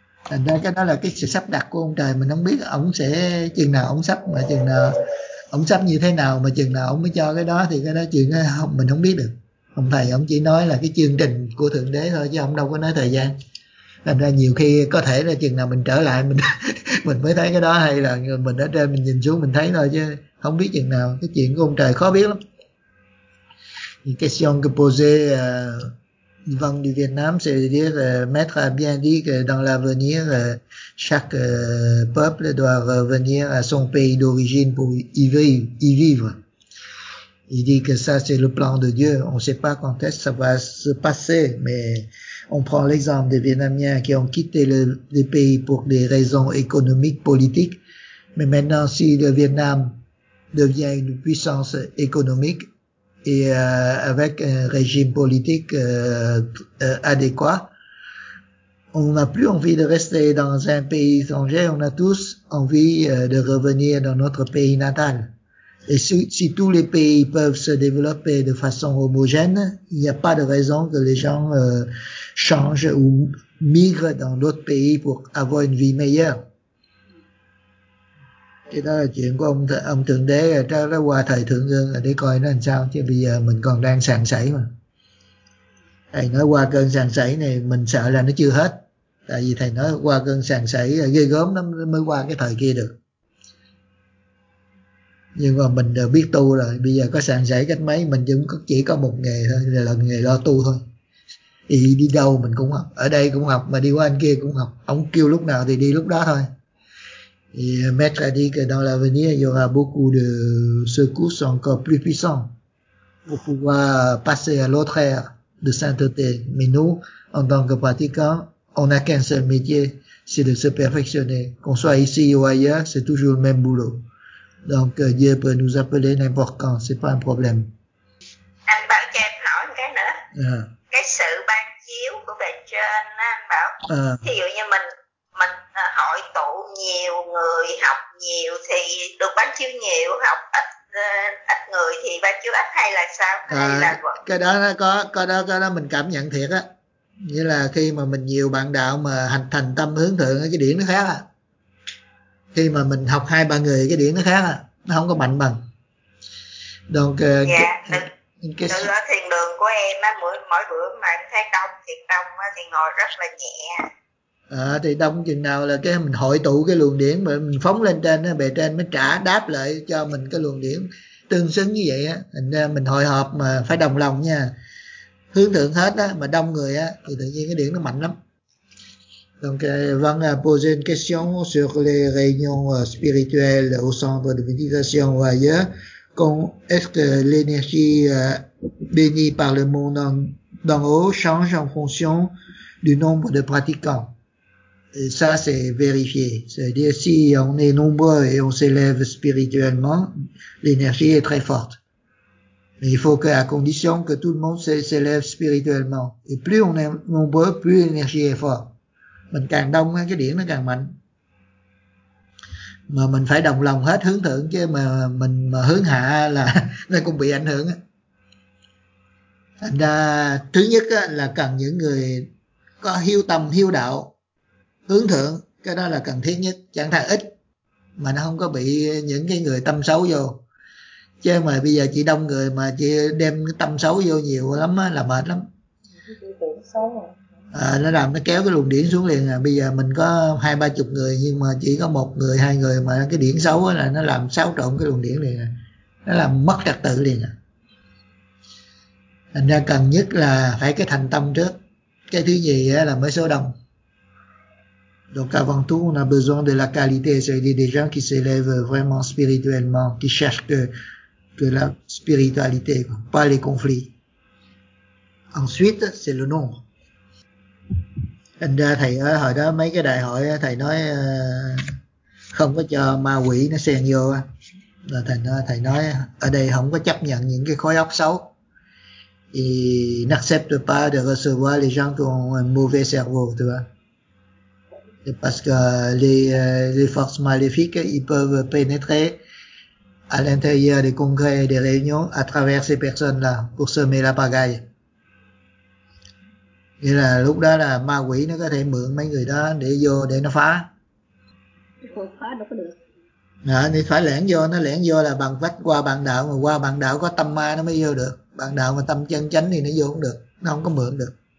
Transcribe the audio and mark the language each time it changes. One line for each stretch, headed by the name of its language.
Vietnamese: Thành ra cái đó là cái sự sắp đặt của ông trời, mình không biết ông sẽ chừng nào ông sắp, mà chừng nào ông sắp như thế nào, mà chừng nào ông mới cho cái đó, thì cái đó chuyện đó không, mình không biết được. Ông thầy ông chỉ nói là cái chương trình của Thượng Đế thôi chứ ông đâu có nói thời gian. Thành ra nhiều khi có thể là chừng nào mình trở lại mình mình mới thấy cái đó, hay là mình ở trên mình nhìn xuống mình thấy thôi chứ không biết chừng nào. Cái chuyện của ông trời khó biết lắm.
French: Question que posez vent du Vietnam, c'est-à-dire maître a bien dit que dans l'avenir chaque peuple doit revenir à son pays d'origine pour y vivre. Il dit que ça c'est le plan de Dieu. On ne sait pas quand est-ce ça va se passer, mais on prend l'exemple des Vietnamiens qui ont quitté le pays pour des raisons économiques, politiques. Mais maintenant, si le Vietnam devient une puissance économique et avec un régime politique adéquat, on n'a plus envie de rester dans un pays étranger, on a tous envie de revenir dans notre pays natal. Et si tous les pays peuvent se développer de façon homogène, il n'y a pas de raison que les gens changent ou migrent dans d'autres pays pour avoir une vie meilleure.
Vietnamese: Cái đó là chuyện của ông Thượng Đế, đó là qua thời Thượng Dương để coi nó làm sao, chứ bây giờ mình còn đang sàng sảy mà. Thầy nói qua cơn sàng sảy này mình sợ là nó chưa hết. Tại vì thầy nói qua cơn sàng sảy ghê gớm lắm mới qua cái thời kia được. Nhưng mà mình đều biết tu rồi, bây giờ có sàng sảy cách mấy, mình cũng chỉ có một nghề thôi, là nghề lo tu thôi. Thì đi đâu mình cũng học, ở đây cũng học, mà đi qua anh kia cũng học, ông kêu lúc nào thì đi lúc đó thôi.
French: Et maître a dit que dans l'avenir, il y aura beaucoup de secousses encore plus puissantes pour pouvoir passer à l'autre ère de sainteté. Mais nous, en tant que pratiquants, on n'a qu'un seul métier, c'est de se perfectionner. Qu'on soit ici ou ailleurs, c'est toujours le même boulot. Donc Dieu peut nous appeler n'importe quand, c'est pas un problème.
Vietnamese: Anh bảo cho em hỏi một cái nữa. Cái sự ban chiếu của bề trên á, anh bảo. Thí dụ như mình hội tụ nhiều người, học nhiều thì được ban chiếu nhiều, học ít ít người thì ban chiếu ít, hay là sao? Cái đó nó có, cái đó mình cảm nhận thiệt á. Như là khi mà mình nhiều bạn đạo mà hành thành tâm hướng thượng, cái điển nó khác à. Khi mà mình học hai ba người cái điển nó khác à, nó không có mạnh bằng.
French: Donc
Vietnamese: từ ở thiền đường của em á, mỗi bữa mà em thấy đông thiền đông á thì ngồi rất là nhẹ. Thì đông chừng nào là cái mình hội tụ cái luồng điển mà mình phóng lên trên á, bề trên mới trả đáp lại cho mình cái luồng điển tương xứng như vậy á. Thành ra mình hội họp mà phải đồng lòng nha. Hướng thượng hết á, mà đông người á, thì tự nhiên cái điển nó mạnh lắm.
French: Donc, avant de poser une question sur les réunions spirituelles au centre de méditation ou ailleurs, est-ce que l'énergie bénie par le monde d'en haut change en fonction du nombre de pratiquants? Et ça, c'est vérifié. C'est-à-dire, si on est nombreux et on s'élève spirituellement, l'énergie est très forte. Mais il faut que, à condition que tout le monde s'élève spirituellement. Et plus on est nombreux, plus l'énergie est forte.
Vietnamese: Mình càng đông cái điển nó càng mạnh. Mà mình phải đồng lòng hết hướng thượng chứ, mà mình mà hướng hạ là nó cũng bị ảnh hưởng. Thành ra thứ nhất là cần những người có hiếu tâm, hiếu đạo, hướng thượng. Cái đó là cần thiết nhất, chẳng thà ít mà nó không có bị những cái người tâm xấu vô. Chứ mà bây giờ chị đông người mà chị đem cái tâm xấu vô nhiều lắm á, là mệt lắm. Nó làm nó kéo cái luồng điển xuống liền à. Bây giờ mình có hai ba chục người nhưng mà chỉ có một người hai người mà cái điển xấu là nó làm xáo trộn cái luồng điển liền à. Nó làm mất trật tự liền à. Thành ra cần nhất là phải cái thành tâm trước, cái thứ gì là mới số đông.
French: Donc avant tout on a besoin de la qualité, c'est-à-dire des gens qui s'élèvent vraiment spirituellement, qui cherchent que la spiritualité, pas les conflits. Ensuite c'est le nombre.
Vietnamese: Thành ra thầy ở hồi đó mấy cái đại hội thầy nói không có cho ma quỷ nó xen vô, là thầy nói ở đây không có chấp nhận những cái khối óc xấu.
French: Il n'accepte pas de recevoir les gens qui ont un mauvais cerveau, tu vois. Parce que les forces maléfiques ils peuvent pénétrer à l'intérieur des congrès et des réunions à travers ces personnes là pour semer la pagaille.
Vietnamese: Nghĩa là lúc đó là ma quỷ nó có thể mượn mấy người đó để vô để nó phá. Phá đâu có được. Thì phải lẻn vô, nó lẻn vô là bằng vách qua bạn đạo, mà qua bạn đạo có tâm ma nó mới vô được. Bạn đạo mà tâm chân chánh thì nó vô không được, nó không có mượn được.